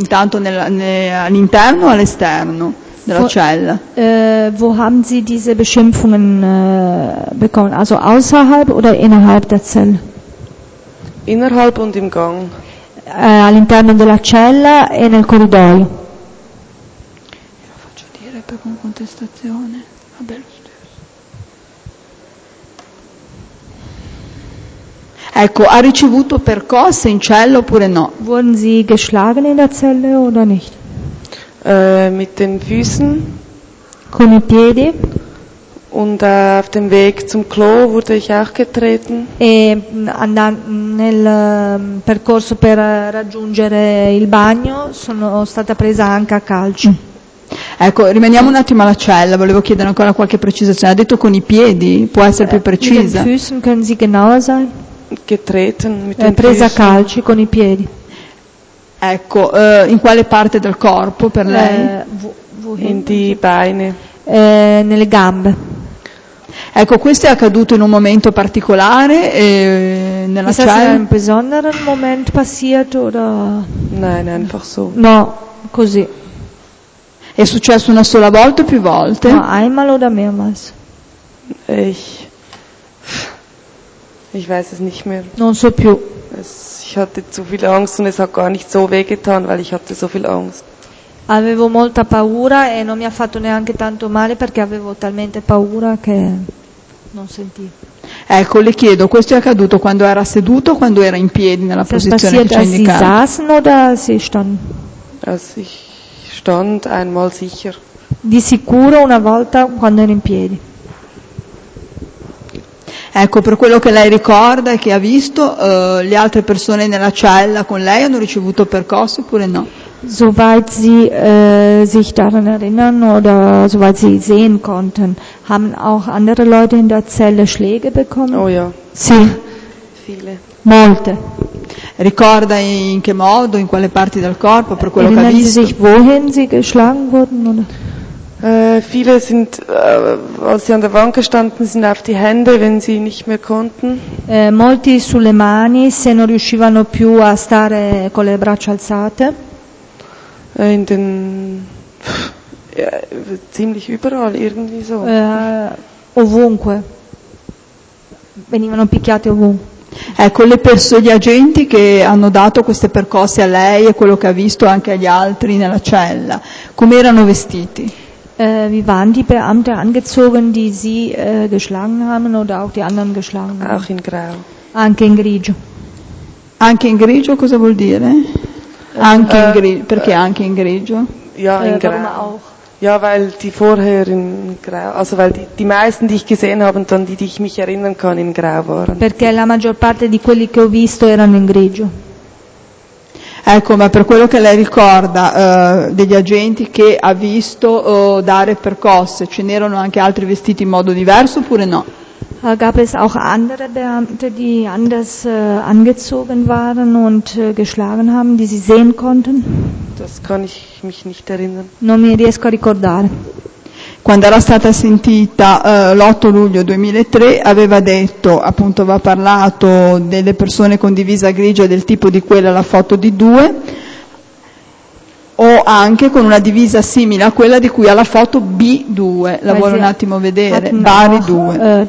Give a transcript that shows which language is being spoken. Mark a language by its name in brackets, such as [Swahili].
[Italian] Intanto all'interno o all'esterno? Della cella. [German] Wo haben Sie diese Beschimpfungen bekommen? Also außerhalb oder innerhalb der Zelle? Innerhalb und im Gang. [Italian] All'interno della cella e nel corridoio. Lo faccio dire per una contestazione. Vabbè, lo stesso. Ecco, ha ricevuto percosse in cella oppure no? [German] Wurden Sie geschlagen in der Zelle oder nicht? Mit den Füßen. [Italian] Con i piedi. [German] Und auf dem Weg zum Klo wurde ich auch getreten. [Italian] E nel percorso per raggiungere il bagno sono stata presa anche a calci. Ecco, rimaniamo un attimo alla cella, volevo chiedere ancora qualche precisazione. Ha detto con i piedi, può essere più precisa? [German] Mit den Füßen können Sie genauer sein? Getreten, mit [Italian] den presa a calci con i piedi. Ecco, in quale parte del corpo per lei? [German] In die Beine. [Italian] Nelle gambe. Ecco, questo è accaduto in un momento particolare nella cella. [German] Ist das in einem besonderen Moment passiert oder? Nein, einfach so. [Italian] No, così. È successo una sola volta o più volte? [German] No, einmal oder mehrmals. Ich weiß es nicht mehr. [Italian] Non so più. [German] Ich hatte zu viel Angst und es hat gar nicht so weh getan, weil ich hatte so viel Angst. [Italian] Avevo molta paura e non mi ha fatto neanche tanto male perché avevo talmente paura che non sentì. Ecco, le chiedo, questo è accaduto quando era seduto o quando era in piedi nella posizione che ci indicava? [German] Si saßen oder si stand? Ich stand einmal sicher. [Italian] Di sicuro una volta quando era in piedi. Ecco, per quello che lei ricorda e che ha visto, le altre persone nella cella con lei hanno ricevuto percosse oppure no? [German] Soweit sie sich daran erinnern oder soweit sie sehen konnten, haben auch andere Leute in der Zelle Schläge bekommen? Oh ja. [Italian] Sì. [German] Viele. [Italian] Molte. Ricorda in che modo, in quale parti del corpo, per quello [German] erinnern [Italian] che ha visto? [German] Sie sich, wohin sie geschlagen wurden, oder? Viele sind, als sie an der Wand gestanden sind, auf die Hände, wenn sie nicht mehr konnten. [Italian] Molti sulle mani, se non riuscivano più a stare con le braccia alzate. [German] In den, ja, ziemlich überall, irgendwie so. [Italian] Ovunque. Venivano picchiate ovunque. Ecco, le persone, gli agenti che hanno dato queste percosse a lei e quello che ha visto anche agli altri nella cella, come erano vestiti? [German] Wie waren die Beamte angezogen, die sie geschlagen haben oder auch die anderen geschlagen haben? Auch in grau. [Italian] Anche in grigio. Anche in grigio, cosa vuol dire? Anche in grigio, perché anche in grigio? [German] Ja, in grau. Warum auch? Ja, weil die vorher in grau, also weil die meisten, die ich gesehen habe und dann die ich mich erinnern kann, in grau waren. [Italian] Perché la maggior parte di quelli che ho visto erano in grigio. Ecco, ma per quello che lei ricorda degli agenti che ha visto dare percosse, ce n'erano anche altri vestiti in modo diverso oppure no? [German] Gab es auch andere Beamte, die anders angezogen waren und geschlagen haben, die sie sehen konnten? Das kann ich mich nicht erinnern. [Italian] Non mi riesco a ricordare. Quando era stata sentita l'8 luglio 2003, aveva detto, appunto aveva parlato delle persone con divisa grigia del tipo di quella, la foto di due, o anche con una divisa simile a quella di cui ha la foto B2, la vuole un attimo vedere, Bari 2.